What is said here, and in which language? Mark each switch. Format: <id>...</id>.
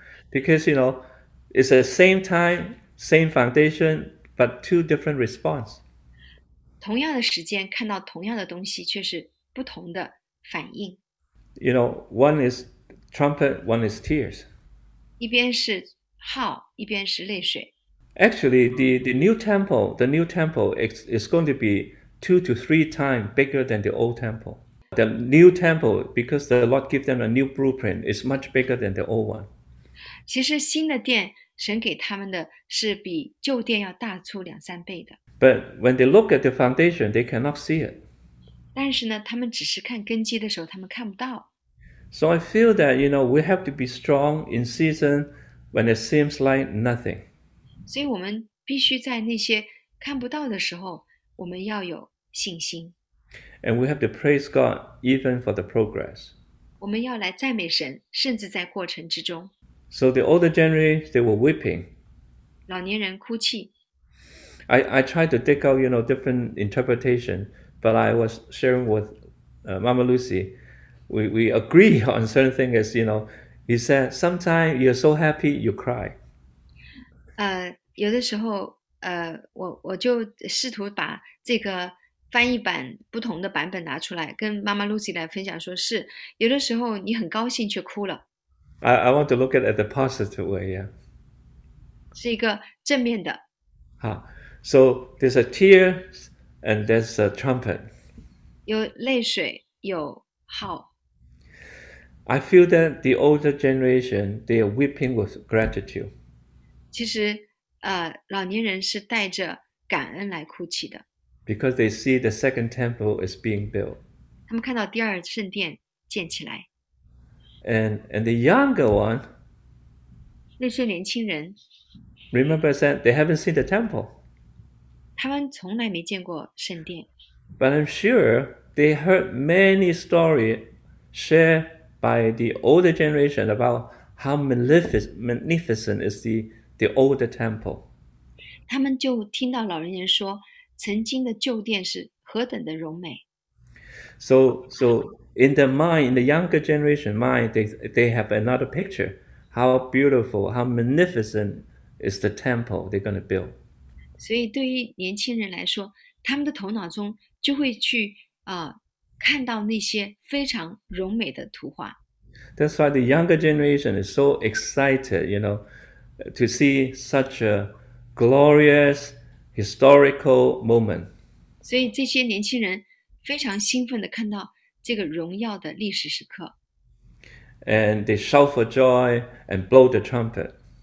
<en>Because it's the same time, same foundation, but two different response.</en> <zh>同样的时间看到同样的东西，却是不同的反应。</zh> <en>One is trumpet, one is tears.</en> <zh>一边是号，一边是泪水。</zh> <en>Actually, the new temple is going to be 2 to 3 times bigger than the old temple. The new temple, because the Lord gave them a new blueprint, is much bigger than the old one.</en> <zh>其实新的殿，神给他们的是比旧殿要大出两三倍的。</zh> <en>But when they look at the foundation, they cannot see it.</en> <zh>但是呢，他们只是看根基的时候，他们看不到。</zh> <en>So I feel that, we have to be strong in season when it seems like nothing.</en> <zh>所以我们必须在那些看不到的时候，我们要有信心。</zh> <en>And we have to praise God even for the progress.</en> <zh>我们要来赞美神，甚至在过程之中。</zh> <en>So the older generation, they were weeping.</en> <zh>老年人哭泣。</zh> <en>I tried to dig out, different interpretation, but I was sharing with Mama Lucy. We agree on certain things, He said, sometimes you're so happy, you cry.</en> <zh>有的时候，我就试图把这个翻译版不同的版本拿出来，跟妈妈 Lucy 来分享说，是有的时候你很高兴却哭了，</zh> <en>I want to look at it the positive way,</en> <zh>是一个正面的。 yeah.</zh> <en>So there's a tear and there's a trumpet.</en> <zh>有泪水，有号。</zh> <en>I feel that the older generation, they are weeping with gratitude.</en> <zh>其实，老年人是带着感恩来哭泣的。</zh> <en>Because they see the second temple is being built.</en> <zh>他们看到第二圣殿建起来，</zh> <en>And the younger one,</en> <zh>那些年轻人，</zh> <en>remember I said they haven't seen the temple.</en> <zh>他们从来没见过圣殿。</zh> <en>But I'm sure they heard many stories shared by the older generation about how magnificent is the older temple.</en> <zh>他们就听到老人家说，曾经的旧殿是何等的荣美。</zh> <en>So in their mind, in the younger generation mind, they have another picture. How beautiful, how magnificent is the temple they're going to build.</en> <zh>所以，对于年轻人来说，他们的头脑中就会去看到那些非常柔美的图画。</zh> <en>That's why the younger generation is so excited, to see such a glorious historical moment.</en> <zh>所以这些年轻人非常兴奋地看到这个荣耀的历史时刻，</zh> <en>And they shout for joy and blow the trumpet.</en>